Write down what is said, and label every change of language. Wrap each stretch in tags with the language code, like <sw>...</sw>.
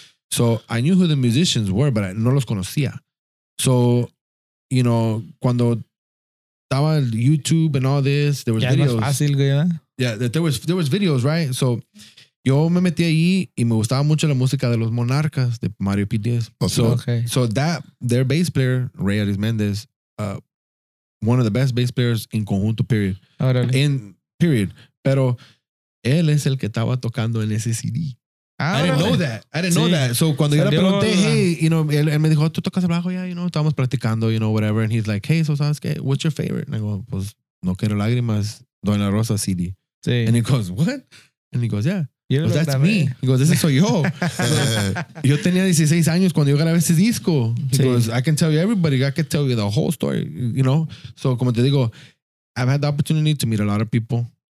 <en>So I knew who the musicians were, but</en> <es>no los conocía.</es> <en>So, you know,</en> <es>cuando estaba el YouTube</es> <en>and all this, there was</en> <es>ya</es> <en>videos.</en> <es>Ya más fácil, güey, ¿eh?</es> <en>Yeah, there was videos, right?</en> <es>So, yo me metí ahí y me gustaba mucho la música de los Monarcas, de Mario P. Diaz.</es> <en>Okay. So that, their bass player, Ray Aris Mendez, one of the best bass players in conjunto, period.</en> <es>Órale.</es> <en>In period.</en> <es>Pero él es el que estaba tocando en ese CD.</es> <en>I didn't know that. So,</en> <es>cuando yo le pregunté,</es> <en>hey, you know,</en> <es>él me dijo, tú tocas abajo,</es> <en>yeah, you know,</en> <es>estábamos platicando,</es> <en>you know, whatever. And he's like, hey, so,</en> <es>¿sabes qué?</es> <en>What's your favorite? And I go, pues, No Quiero Lágrimas, Doña Rosa CD.</en> <es>Sí.</es> <en>And he goes, what? And he goes, yeah. Pues, that's me. He goes,</en> <es>ese soy yo. Yo tenía 16 años cuando yo grabé ese disco.</es> <en>He goes, I can tell you everybody, I can tell you the whole story, you know. So,</en> <es>como te digo,</es> <en>I've had the opportunity to meet a lot of people.</en>